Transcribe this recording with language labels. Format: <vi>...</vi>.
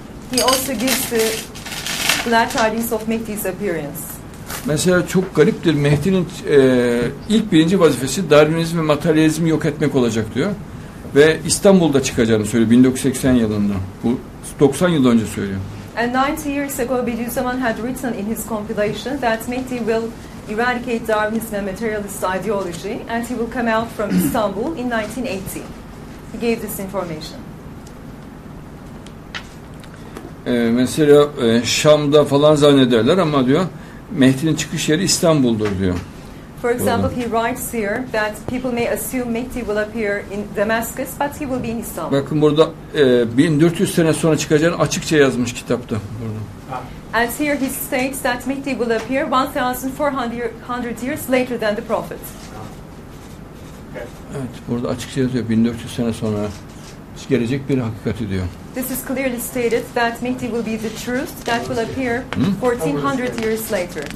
<en>He also gives the glad tidings of Mehdi's appearance.</en> <tr>Mesela çok gariptir. Mehdi'nin ilk birinci vazifesi Darwinizm ve materyalizmi yok etmek olacak diyor. Ve İstanbul'da çıkacağını söylüyor 1980 yılında. Bu 90 yıl önce söylüyor.</tr> <en>And 90 years ago, Bediüzzaman had written in his compilation that Mehdi will eradicate Darwinism and materialist ideology and he will come out from Istanbul in 1980. He gave this information.</en> <tr>Mesela Şam'da falan zannederler ama diyor Mehdi'nin çıkış yeri İstanbul'dur diyor.</tr> <en>For example, he writes here that people may assume Mehdi will appear in Damascus but he will be in Istanbul.</en> <tr>Bakın burada 1400 sene sonra çıkacağını açıkça yazmış kitapta burada.</tr> <en>And here he states that Mehdi will appear 1400 years later than the prophet.</en> <tr>Evet, burada açıkça yazıyor 1400 sene sonra gelecek bir hakikati diyor.</tr> <en>This is clearly stated that Mehdi will be the truth that will appear 1400 years later.</en>